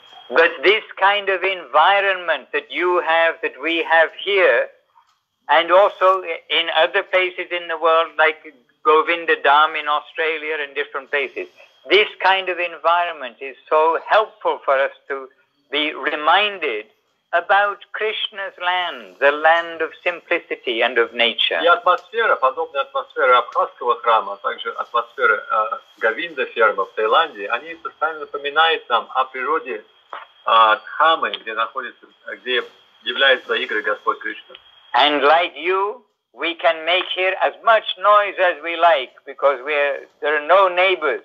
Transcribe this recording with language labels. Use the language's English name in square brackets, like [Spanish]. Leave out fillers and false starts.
[English] But this kind of environment that you have, that we have here, and also in other places in the world, like Govinda Dham in Australia and different places, this kind of environment is so helpful for us to be reminded about Krishna's land, the land of simplicity and of nature. [Russian] И атмосфера, подобная атмосфера Абхазского храма, а также атмосфера Говинда фермы в Таиланде, они постоянно напоминают нам о природе Дхамы, где является игрой Господь Кришна. [English] And like you, we can make here as much noise as we like, because there are no neighbors.